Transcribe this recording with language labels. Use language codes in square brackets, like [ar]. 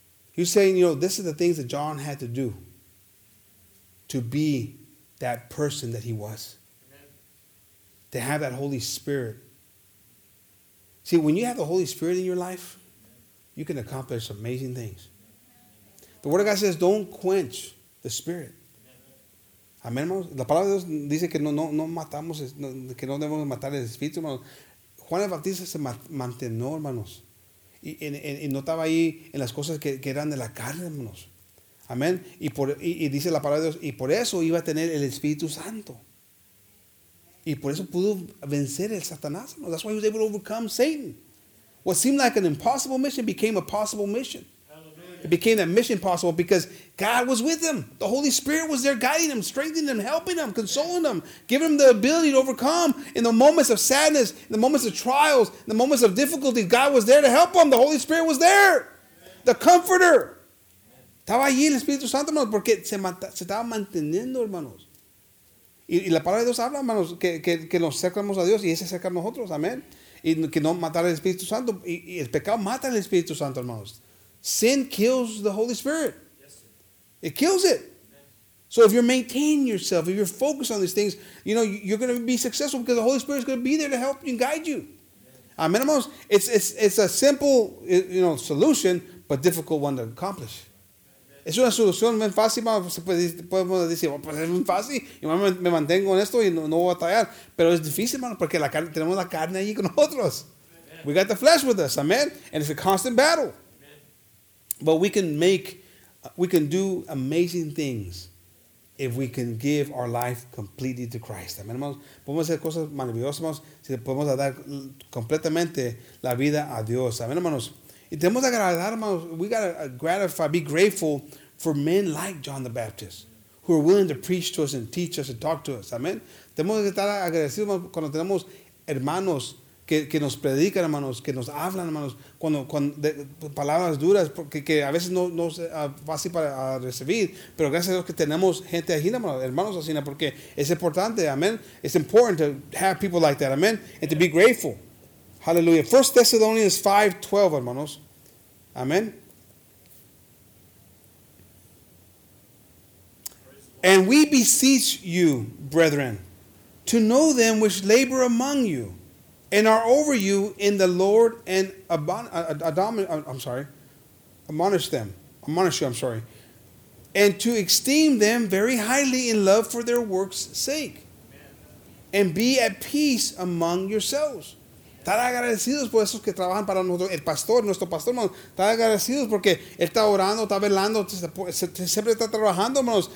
[en] He's saying, you know, this is the things that John had to do to be that person that he was. Amen. To have that Holy Spirit. See, when you have the Holy Spirit in your life, you can accomplish amazing things. The Word of God says, don't quench the Spirit. Amen. [es] La palabra de Dios dice que no matamos, que no debemos matar el Espíritu, hermano. Juan el Bautista se mantenó, hermanos. Y no estaba ahí en las cosas que eran de la carne, hermanos. Amén. Y dice la palabra de Dios, y por eso iba a tener el Espíritu Santo. Y por eso pudo vencer el Satanás, hermanos. [en] That's why he was able to overcome Satan. What seemed like an impossible mission became a possible mission. Hallelujah. It became that mission possible because God was with him. The Holy Spirit was there guiding him, strengthening him, helping him, consoling him, giving him the ability to overcome in the moments of sadness, in the moments of trials, in the moments of difficulty. God was there to help him. The Holy Spirit was there. Amen. The comforter. [es] Estaba allí el Espíritu Santo, hermanos, porque se estaba manteniendo, hermanos. Y la palabra de Dios habla, hermanos, que nos acercamos a Dios y ese acerca a nosotros, amén. Y que no matar al Espíritu Santo. Y el pecado mata al Espíritu Santo, hermanos. [en] Sin kills the Holy Spirit. It kills it. So if you're maintaining yourself, if you're focused on these things, you know, you're going to be successful because the Holy Spirit is going to be there to help you and guide you. Amen, hermanos. It's a simple, you know, solution, but difficult one to accomplish. [es] Es una solución muy fácil, podemos decir, pues es muy fácil, y me mantengo en esto y no voy a batallar. Pero es difícil, hermano, porque tenemos la carne allí con nosotros. [en] We got the flesh with us, amen? And it's a constant battle. But we can do amazing things if we can give our life completely to Christ. [es] Amen, hermanos. Podemos hacer cosas maravillosas, hermanos, si podemos dar completamente la vida a Dios. Amen, hermanos. Y tenemos que agradar, hermanos. [en] We got to gratify, be grateful for men like John the Baptist who are willing to preach to us and teach us and talk to us. Amen. [es] Tenemos que estar agradecidos, hermanos, cuando tenemos hermanos que nos predican, hermanos, que nos hablan, hermanos, cuando palabras duras, que a veces no es fácil para recibir, pero gracias a Dios que tenemos gente así, hermanos así, porque es importante, amén. [en] It's important to have people like that, amen, and to be grateful. Hallelujah. 1 Thessalonians 5:12, hermanos. Amen. And we beseech you, brethren, to know them which labor among you, and are over you in the Lord, and admonish you, and to esteem them very highly in love for their work's sake. And be at peace among yourselves. [es] Estar agradecidos por esos que trabajan para nosotros. El pastor, nuestro pastor, hermano, está agradecidos porque él está orando, está velando, siempre está trabajando, hermano.